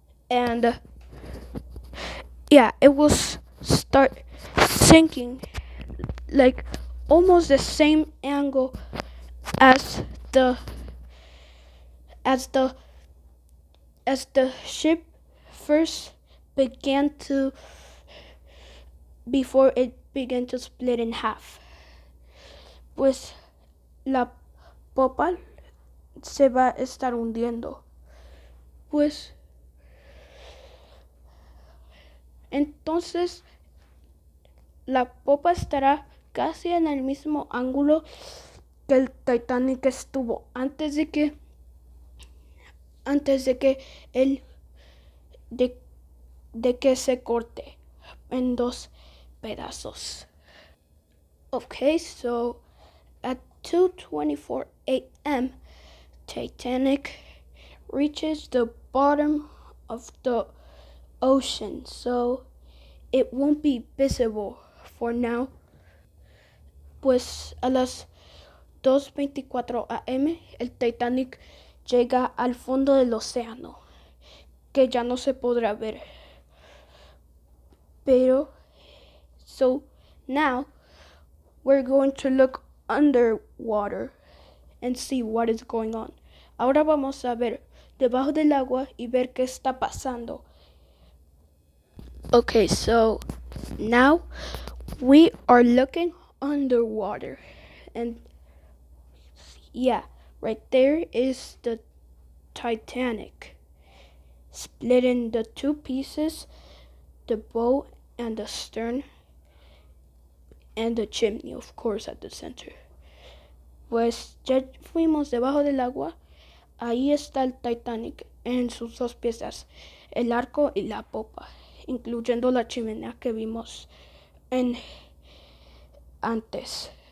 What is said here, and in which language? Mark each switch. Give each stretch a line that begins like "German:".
English: And yeah, it will start sinking like almost the same angle as the ship first began to, before it began to split in half.
Spanish: Pues la popa se va a estar hundiendo. Pues entonces la popa estará casi en el mismo ángulo que el Titanic estuvo antes de que se corte en dos pedazos.
English: Okay, so at 2:24 a.m. Titanic reaches the bottom of the ocean, so it won't be visible for now.
Spanish: Pues a las 2:24 a.m. el Titanic llega al fondo del océano, que ya no se podrá ver. Pero,
English: so now we're going to look underwater and see what is going on.
Spanish: Ahora vamos a ver debajo del agua y ver qué está pasando.
English: Okay, so now we are looking underwater, and yeah, right there is the Titanic split in the two pieces, the bow and the stern, and the chimney, of course, at the center.
Spanish: Pues ya fuimos debajo del agua, ahí está el Titanic en sus dos piezas, el arco y la popa, incluyendo la chimenea que vimos en antes.